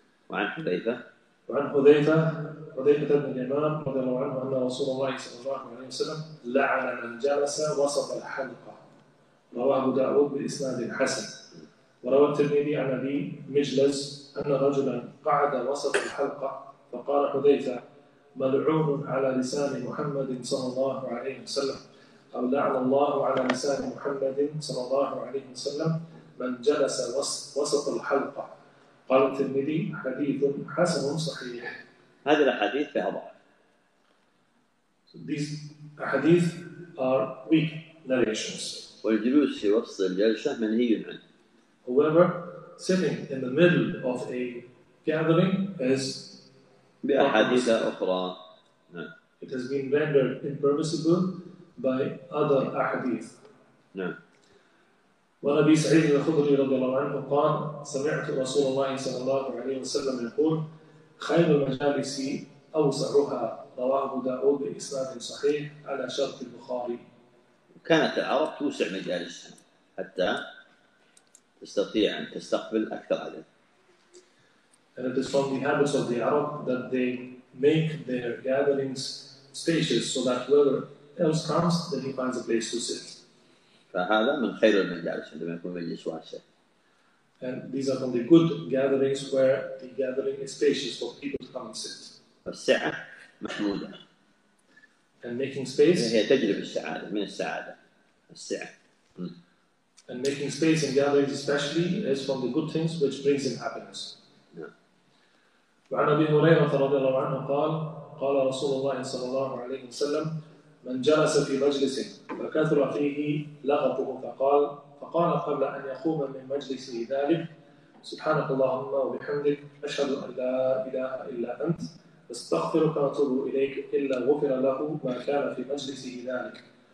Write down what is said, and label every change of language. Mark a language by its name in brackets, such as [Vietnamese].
[Arabic] وعن حذيفة. وعن حذيفة حذيفة بن اليمان رضي الله عنه أن رسول الله صلى الله عليه وسلم لعن من جلس وسط الحلقة روى أبو داود بإسناد حسن. وروى الترمذي عن أبي مجلس أن رجلا قعد وسط الحلقة فقال حذيفة ملعون على لسان محمد صلى الله عليه وسلم، أو لعن الله على لسان محمد صلى الله عليه وسلم من جلس وسط الحلقة. قال الترمذي حديث حسن صحيح. هذا الحديث فيها ضعف. [English] These hadith are weak narrations. [Arabic] والجلوس في وسط الجلسة منهي عنه. [English] However, sitting in the middle of a gathering is [Arabic] بأحاديث أخرى. [English] It has been rendered impermissible by other ahadith. [Arabic] نعم. وأبي سعيد الخدري رضي الله عنه قال سمعت رسول الله صلى الله عليه وسلم يقول خير المجالس أوسعها. رواه أبو داود بإسناد صحيح على شرط البخاري. كانت العرب توسع مجالسها حتى تستطيع أن تستقبل أكثر عدد. [English] And it is from the habits of the Arab that they make their gatherings spacious so that whoever else comes, then he finds a place to sit. [Arabic] فهذا من خير المجالس عندما يكون مجلس واسع. [English] And these are from the good gatherings where the gathering is spacious for people to come and sit. [Arabic] السعة محمودة. [English] And making space. [Arabic] هي تجلب السعادة من السعادة. السعة. [English] And making space in gatherings especially is from the good things which brings in happiness. [Arabic] وعن أبي هريرة رضي الله عنه قال قال رسول الله صلى الله عليه وسلم من جلس في مجلس فكثر فيه لغطه فقال قبل أن يقوم من مجلسه ذلك سبحانك اللهم وبحمدك أشهد أن لا إله إلا أنت استغفرك واتوب إليك إلا غفر له ما كان في مجلسه ذلك.